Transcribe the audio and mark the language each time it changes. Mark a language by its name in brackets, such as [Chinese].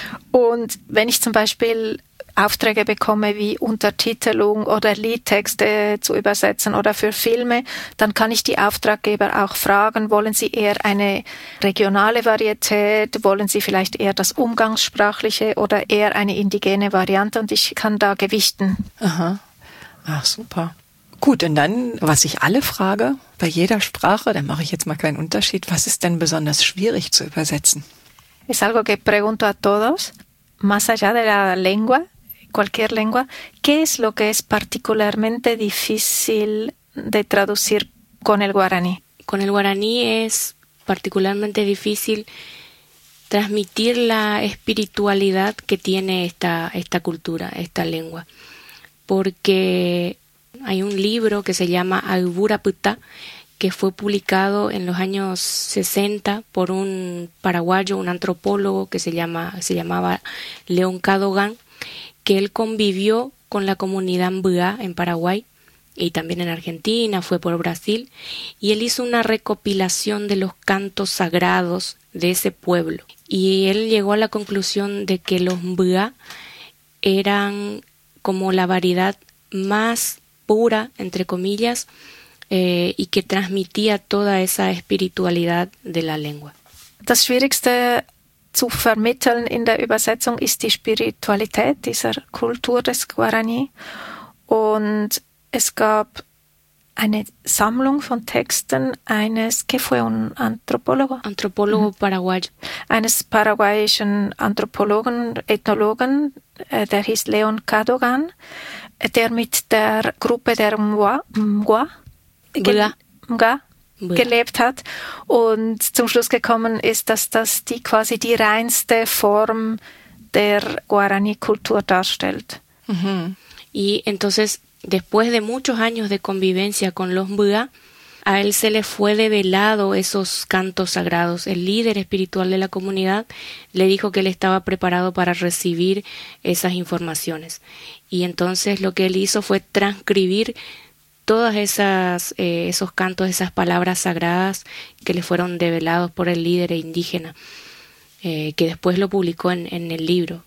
[German] Und wenn ich zum Beispiel Aufträge bekomme wie Untertitelung oder Liedtexte zu übersetzen oder für Filme, dann kann ich die Auftraggeber auch fragen, wollen sie eher eine regionale Varietät, wollen sie vielleicht eher das Umgangssprachliche oder eher eine indigene Variante, und ich kann da gewichten. Aha, ach super. Gut, und dann, was ich alle frage, bei jeder Sprache, da mache ich jetzt mal keinen Unterschied, was ist denn besonders schwierig zu übersetzen? [Spanish] Es algo que pregunto a todos, más allá de la lengua, cualquier lengua, ¿qué es lo que es particularmente difícil de traducir con el guaraní? Con el guaraní es particularmente difícil transmitir la espiritualidad que tiene esta cultura, esta lengua, porque hay un libro que se llama Aiburaputa, que fue publicado en los años 60 por un paraguayo, un antropólogo que se llamaba León Cadogan, que él convivió con la comunidad Mbuá en Paraguay y también en Argentina, fue por Brasil, y él hizo una recopilación de los cantos sagrados de ese pueblo. Y él llegó a la conclusión de que los Mbuá eran como la variedad más pura, entre comillas, y que transmitía toda esa espiritualidad de la lengua. [German] Das Schwierigste zu vermitteln in der Übersetzung ist die Spiritualität dieser Kultur des Guarani. Und es gab eine Sammlung von Texten eines, [Spanish] que fue un antropólogo? Antropólogo paraguayo. [German] Eines paraguayischen Anthropologen, Ethnologen, der hieß León Cadogan, der mit der Gruppe der Mga gelebt hat und zum Schluss gekommen ist, dass das quasi die reinste Form der Guarani-Kultur darstellt. [Spanish] Y entonces, después de muchos años de convivencia con los Mga, a él se le fue develado esos cantos sagrados. El líder espiritual de la comunidad le dijo que él estaba preparado para recibir esas informaciones. Y entonces lo que él hizo fue transcribir todas esos cantos, esas palabras sagradas que le fueron develados por el líder indígena, que después lo publicó en el libro.